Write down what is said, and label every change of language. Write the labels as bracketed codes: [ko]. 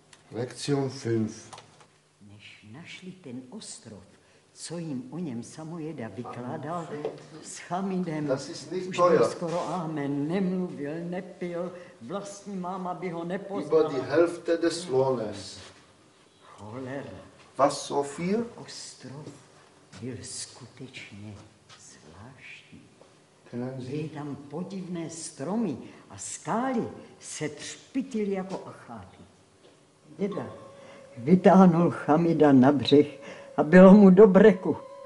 [cs] Lekcion 5. Našli ten ostrov, co jim o něm samojeda vykládal, s Chamidem, už byl skoro amen, nemluvil, nepil, vlastní máma by ho nepoznala. [de] Über die Hälfte des Lohnes. [cs] Cholera. [de] Was so viel? [cs] Ostrov byl skutečně zvláštní. Byly tam podivné stromy a skály se třpitily jako acháty. Děda vytáhnul Chamida na břeh a bylo mu do breku.